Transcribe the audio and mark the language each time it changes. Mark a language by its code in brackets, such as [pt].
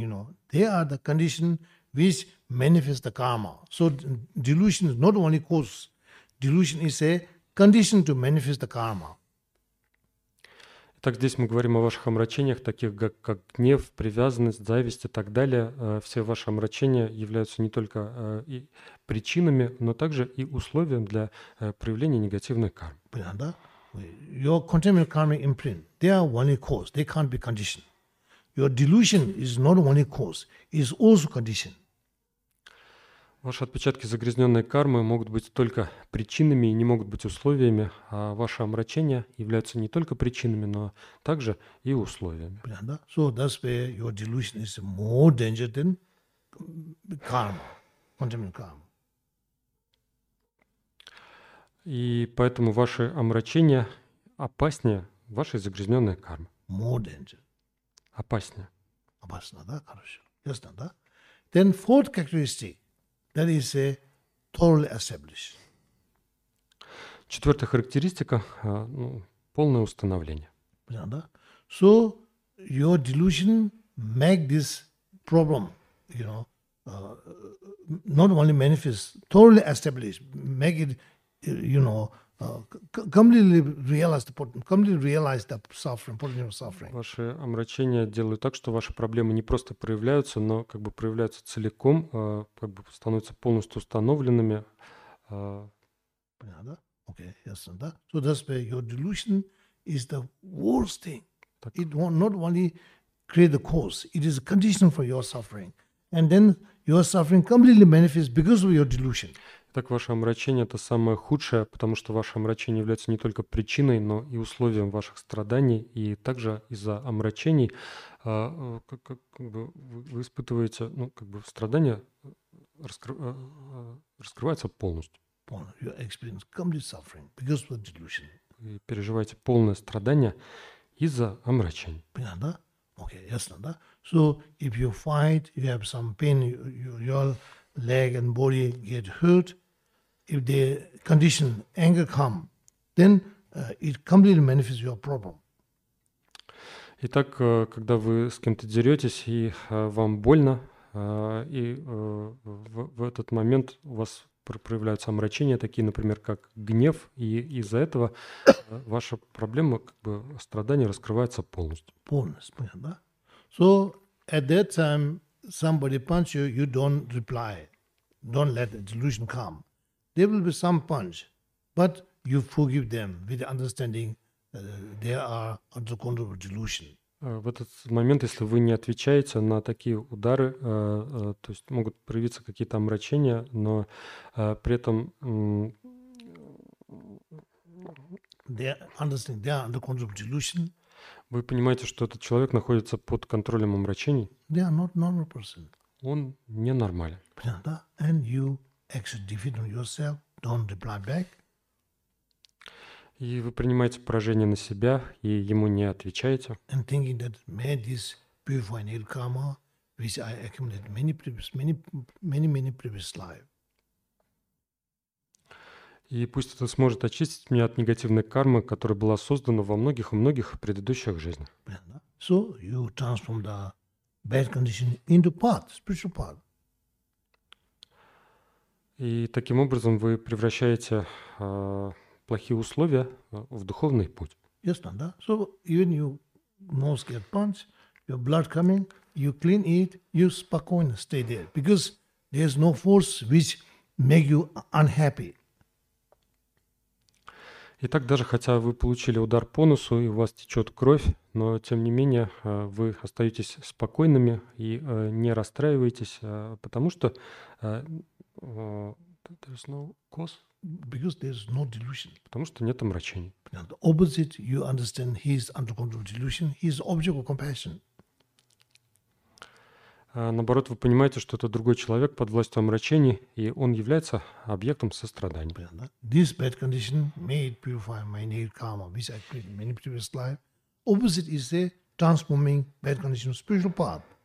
[en] You know, they are the condition which manifest the karma. So delusion is not only cause. Delusion is a condition to manifest the karma. [ru] Итак, здесь мы говорим о ваших омрачениях, таких как гнев, привязанность, зависть и так далее. Все ваши омрачения являются не только и причинами, но также и условием для проявления негативных карм. Понятно, да? [en] Your contaminant karma imprint, they are only cause, they can't be condition. Your delusion is not only cause, it is also condition. [ru] Ваши отпечатки загрязненной кармы могут быть только причинами и не могут быть условиями, а ваши омрачения являются не только причинами, но также и условиями. Понятно? [en] So that's where your delusion is more dangerous than karma, contaminant karma. [ru] И поэтому ваши омрачения опаснее вашей загрязненной кармы. [en] More dangerous. [ru] Опаснее. Опасно, да? Хорошо. Ясно, да? [en] Then fourth characteristic. That is a totally established. [ru] Четвертая характеристика, полное установление. Понятно, да? [en] So your delusion make this problem, you know, not only manifest, totally established, make it, you know, completely realize the suffering, potential suffering. [ru] Ваши омрачения делают так, что ваши проблемы не просто проявляются, но как бы проявляются целиком, как бы становятся полностью установленными. Понятно, да? Окей, ясно, да? [en] So that's why your delusion is the worst thing. [ru] Так. [en] It not only create the cause, it is a condition for your suffering. And then your suffering completely manifests because of your delusion. [ru] Так ваше омрачение – это самое худшее, потому что ваше омрачение является не только причиной, но и условием ваших страданий. И также из-за омрачений вы испытываете, страдания раскрываются полностью. Вы переживаете полное страдание из-за омрачений. Понятно, да? Окей, ясно, да? [en] So, if you fight, you have some pain, your leg and body get hurt, if the condition anger come, then it completely manifests your problem. [ru] Итак, когда вы с кем-то деретесь и вам больно, и в этот момент у вас проявляются омрачения, такие, например, как гнев, и из-за этого ваша проблема, как бы страдание раскрывается полностью. Полностью, да? [en] So at that time somebody punch you, you don't reply. Don't let the delusion come. There will be some punch, but you forgive them with the understanding they are under control of delusion. [ru] В этот момент, если вы не отвечаете на такие удары, то есть могут проявиться какие-то омрачения, но при этом вы понимаете, что этот человек находится под контролем омрачений. [en] They are not normal person. [ru] Он ненормален. [en] And you actually defeat on yourself, don't reply back. [ru] И вы принимаете поражение на себя и ему не отвечаете. [en] And thinking that may this purify my karma, which I accumulated many previous lives. [ru] И пусть это сможет очистить меня от негативной кармы, которая была создана во многих и многих предыдущих жизнях. [en] So you transform the bad condition into path, spiritual path. [ru] И таким образом вы превращаете плохие условия в духовный путь. [en] Yes, no, да? So even you most get punched, your blood coming, you clean it, you [ru] спокойно [en] stay there, because there's no force which make you unhappy. [ru] Итак, даже хотя вы получили удар по носу и у вас течет кровь, но тем не менее вы остаетесь спокойными и не расстраиваетесь, потому что [en] there's no cause. Because there's no delusion. [ru] Потому что нет омрачений. [en] The opposite, you understand, he is under control of delusion, he is object of compassion. [ru] Наоборот, вы понимаете, что это другой человек под властью омрачений, и он является объектом сострадания. [en] This bad condition may purify my negative karma, which I created in many previous lives. Opposite is the transforming bad condition spiritual path.